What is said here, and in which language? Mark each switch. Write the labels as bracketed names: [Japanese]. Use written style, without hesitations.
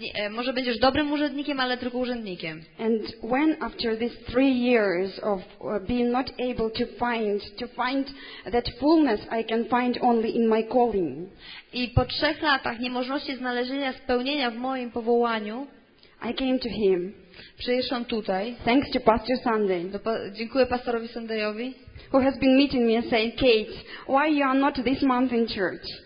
[Polish] Może będziesz dobrym urzędnikiem, ale tylko urzędnikiem. [English] And when after these 3 years of being not able to find that fullness I can find only in my calling. [Polish] I po 3 latach niemożności znalezienia spełnienia w moim powołaniu, [English] I came to him. [Polish] Przyjeżdżam tutaj. [English] Thanks to Pastor Sunday. [Polish] Dziękuję pastorowi Sundayowi. [English] Who has been meeting me and saying, Kate, why you are not this month in church?